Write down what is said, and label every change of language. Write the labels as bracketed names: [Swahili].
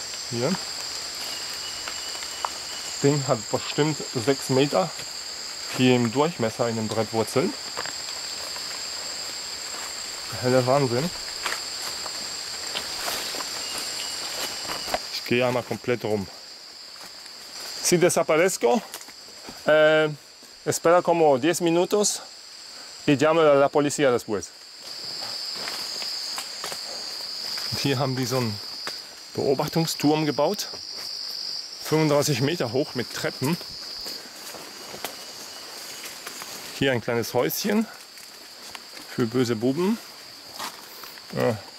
[German] Hier. Das Ding hat bestimmt 6 Meter. Hier im Durchmesser in den Brettwurzeln. Heller Wahnsinn. Ich gehe einmal komplett rum. [Spanish] Si desaparezco, espera como 10 minutos y llamo a la policía después. [German] Hier haben die so einen Beobachtungsturm gebaut. 35 Meter hoch mit Treppen. Hier ein kleines Häuschen für böse Buben. Ja.